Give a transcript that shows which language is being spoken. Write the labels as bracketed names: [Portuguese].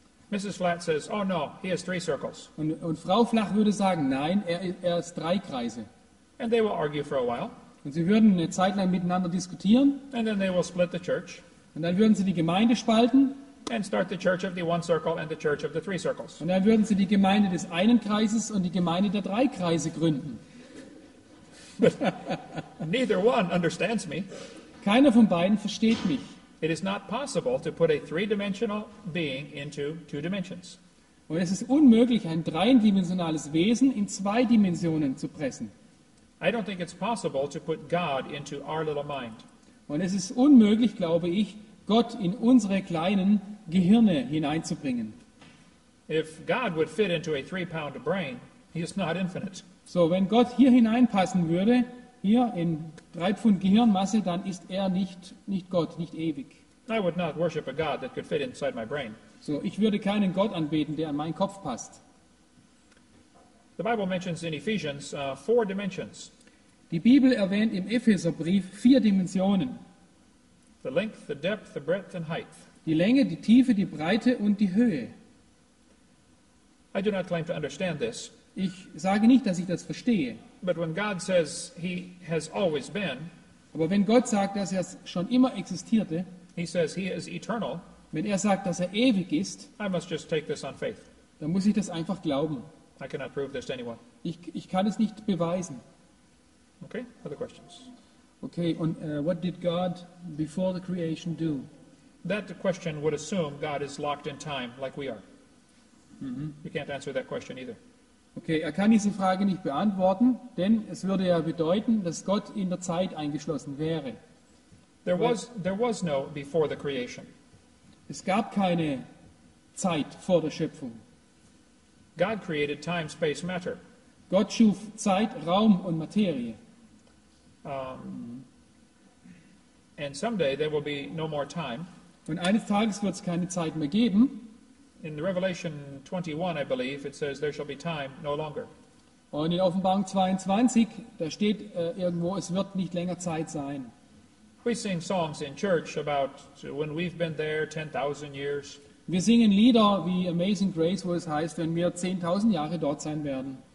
[English] Mrs. Flat says, oh no, he has three circles. [German] Und Frau Flach würde sagen, nein, ist drei Kreise. [English] And they will argue for a while. [German] Und sie würden eine Zeit lang miteinander diskutieren. [English] And then they will split the church. [German] Und dann würden sie die Gemeinde spalten. [English] And start the church of the one circle and the church of the three circles. [German] Und dann würden sie die Gemeinde des einen Kreises und die Gemeinde der drei Kreise gründen. [English] But neither one understands me. [German] Keiner von beiden versteht mich. [English] It is not possible to put a three-dimensional being into two dimensions. [German] Und es ist unmöglich, ein dreidimensionales Wesen in zwei Dimensionen zu pressen. [English] I don't think it's possible to put God into our little mind. [German] Und es ist unmöglich, glaube ich, Gott in unsere kleinen Gehirne hineinzubringen. [English] If God would fit into a 3-pound brain, he is not infinite. [German] So, wenn Gott hier hineinpassen würde, hier in 3 Pfund Gehirnmasse, dann ist nicht Gott, nicht ewig. [English] I would not worship a God that could fit inside my brain. [German] So, ich würde keinen Gott anbeten, der an meinen Kopf passt. [English] The Bible mentions in Ephesians 4 dimensions. [German] Die Bibel erwähnt im Epheserbrief 4 Dimensionen. [English] The length, the depth, the breadth and height. [German] Die Länge, die Tiefe, die Breite und die Höhe. [English] I do not claim to understand this. [German] Ich sage nicht, dass ich das verstehe. [English] But when God says he has always been, [German] aber wenn Gott sagt, dass schon immer existierte, [English] he says he is eternal, [German] wenn sagt, dass ewig ist, [English] I must just take this on faith. [German] Dann muss ich das einfach glauben. [English] I cannot prove this to anyone. [German] Ich kann es nicht beweisen. [English] Okay, other questions. Okay, and what did God before the creation do? That question would assume God is locked in time like we are. Mm-hmm. You can't answer that question either. [German] Okay, kann diese Frage nicht beantworten, denn es würde ja bedeuten, dass Gott in der Zeit eingeschlossen wäre. [English] There was no before the creation. [German] Es gab keine Zeit vor der Schöpfung. [English] God created time, space, matter. [German] Gott schuf Zeit, Raum und Materie. [English] And someday there will be no more time. [German] Und eines Tages wird es keine Zeit mehr geben. [English] In Revelation 21, I believe, it says there shall be time no longer. [German] Und in Offenbarung 22, da steht irgendwo, es wird nicht länger Zeit sein. [English] We sing songs in church about when we've been there 10,000 years. [German] Wir singen Lieder wie Amazing Grace, wo es heißt, wenn wir 10,000 Jahre dort sein werden.